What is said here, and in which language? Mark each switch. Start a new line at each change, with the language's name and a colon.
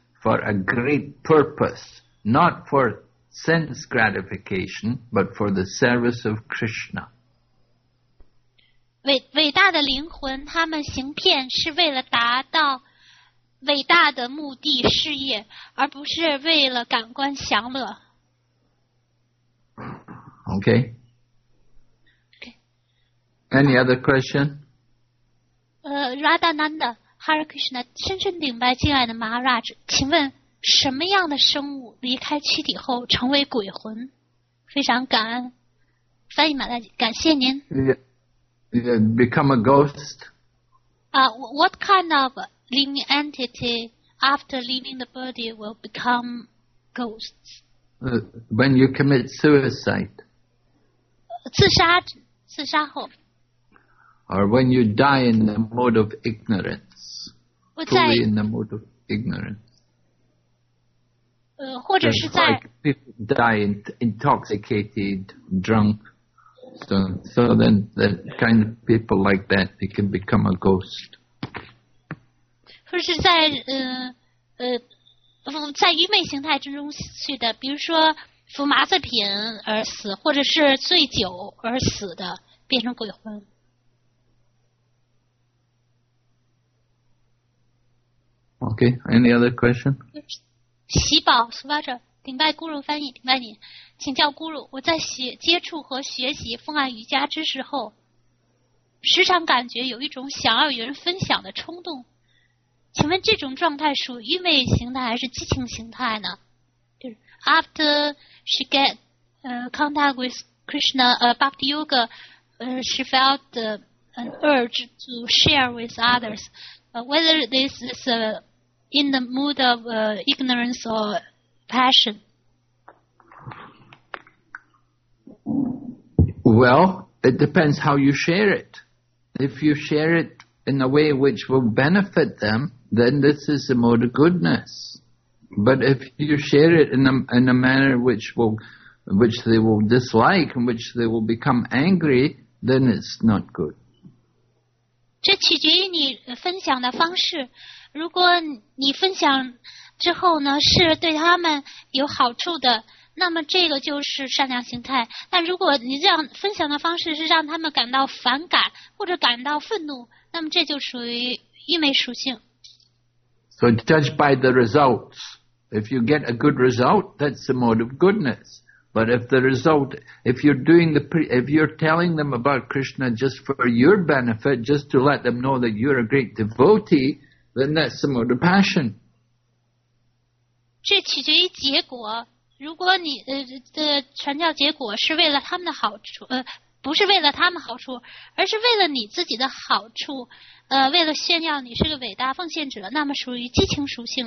English: For a great purpose, not for sense gratification, but for the service of Krishna.
Chinese: 伟大的灵魂，他们行骗是为了达到伟大的目的事业，而不是为了感官享乐。
English: Okay. Okay. Any other question?
Chinese: Radha Nanda. Hare Krishna， 深深顶拜敬爱的 Maharaj， 请问什么样的生物离开躯体后成为鬼魂？非常感恩，翻译马大姐，感谢您。
English: Yeah, become a ghost. What kind of living entity after leaving the body will become ghosts? When you commit suicide.
Chinese: 自杀后。
English: Or when you die in the mode of ignorance. Fully in the mode of ignorance.
Chinese: 或者是在
English: people die intoxicated, drunk. So then the kind of people like that, they can become a ghost.
Chinese: 或者是在在愚昧形态之中去的，比如说服麻醉品而死，或者是醉酒而死的，变成鬼魂。
English: Okay, any other question?
Chinese: 喜宝苏巴者，顶拜咕噜翻译，顶拜你，请教咕噜，我在接触和学习风爱瑜伽知识后，时常感觉有一种想要与人分享的冲动，请问这种状态属愚昧形态还是激情形态呢？就是
English: after she get contact with Krishna Bhakti Yoga, she felt an urge to share with others. Whether this is in the mood of ignorance or passion. Well, it depends how you share it. If you share it in a way which will benefit them, then this is the mode of goodness. But if you share it in a manner which they will dislike and which they will become angry, then it's not good.
Chinese: 这取决于你分享的方式。如果你分享之后呢，是对他们有好处的，那么这个就是善良心态。但如果你这样分享的方式是让他们感到反感或者感到愤怒，那么这就属于愚昧属性。
English: So judge by the results. If you get a good result, that's the mode of goodness. But if the result, if you're telling them about Krishna just for your benefit, just to let them know that you're a great devotee, then that's the mode of passion.
Chinese: 这取决于结果。如果你的传教结果是为了他们的好处，不是为了他们好处，而是为了你自己的好处，为了炫耀你是个伟大奉献者，那么属于激情属性。